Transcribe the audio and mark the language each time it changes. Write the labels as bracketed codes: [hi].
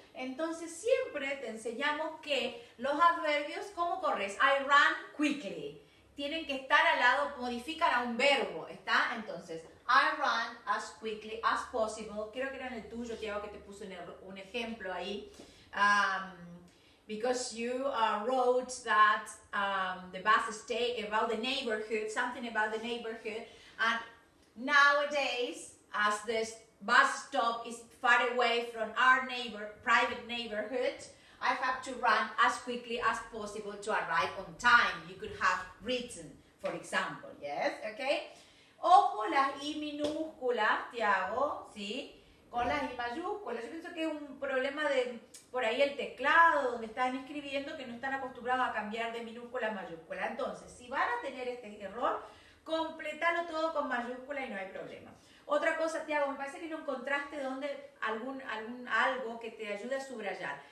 [es] Entonces, siempre te enseñamos que los adverbios, ¿cómo corres? [en] I run quickly. [es] Tienen que estar al lado, modifican a un verbo, ¿está? [en] Entonces, I run as quickly as possible. [es] Creo que era en el tuyo, Tiago, que te puso un ejemplo ahí. [en] Because you wrote that the bus stay about the neighborhood, something about the neighborhood, and nowadays, as this bus stop is far away from our private neighborhood, I have to run as quickly as possible to arrive on time. You could have written, for example, yes, okay? [es] Ojo las I minúsculas, [en] Tiago, sí? [es] con las I mayúsculas. Yo pienso que es un problema de por ahí el teclado, donde están escribiendo, que no están acostumbrados a cambiar de minúscula a mayúscula. Entonces, si van a tener este error, completalo todo con mayúscula y no hay problema. Otra cosa, Tiago, me parece que no encontraste donde algún algo que te ayude a subrayar.